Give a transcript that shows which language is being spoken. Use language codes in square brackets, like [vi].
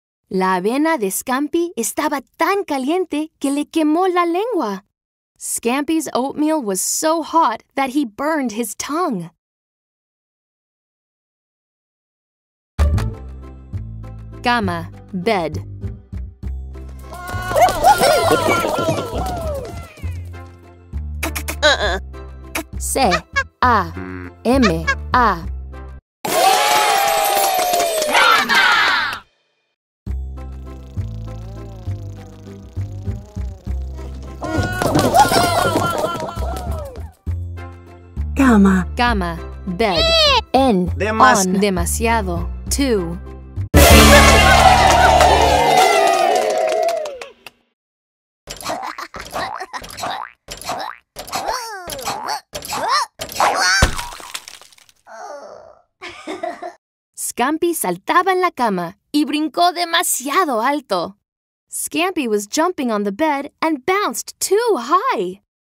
[es] La avena de Scampi estaba tan caliente que le quemó la lengua. [en] Scampi's oatmeal was so hot that he burned his tongue. [es] Cama, bed. C, A, M, A. Cama. Cama. Bed. N. Demasi- on. Demasiado. Two. Scampi saltaba en la cama y brincó demasiado alto. [en] Scampi was jumping on the bed and bounced too high.